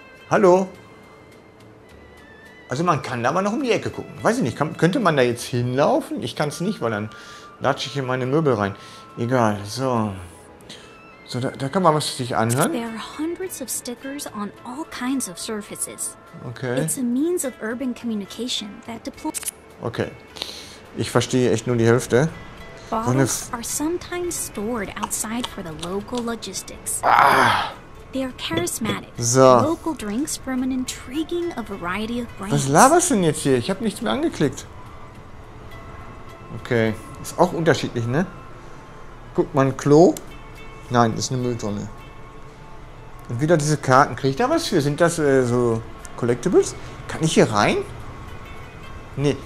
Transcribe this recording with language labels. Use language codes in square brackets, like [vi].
[de] Hallo? Also man kann da mal noch um die Ecke gucken. Weiß ich nicht, könnte man da jetzt hinlaufen? Ich kann es nicht, weil dann latsche ich in meine Möbel rein. Egal, so. So, da kann man was sich anhören. [en] There are hundreds of stickers on all kinds of surfaces. Okay. It's a means of urban communication that deploys. Okay. [de] Ich verstehe echt nur die Hälfte. [en] Bottles are sometimes stored outside for the local logistics. They are charismatic. So. Local drinks from an intriguing variety of brands. [de] Was laberst du denn jetzt hier? Ich habe nichts mehr angeklickt. Okay. Ist auch unterschiedlich, ne? Guck mal, ein Klo. Nein, ist eine Mülltonne. Und wieder diese Karten. Kriege ich da was für? Sind das so Collectibles? Kann ich hier rein? Nee.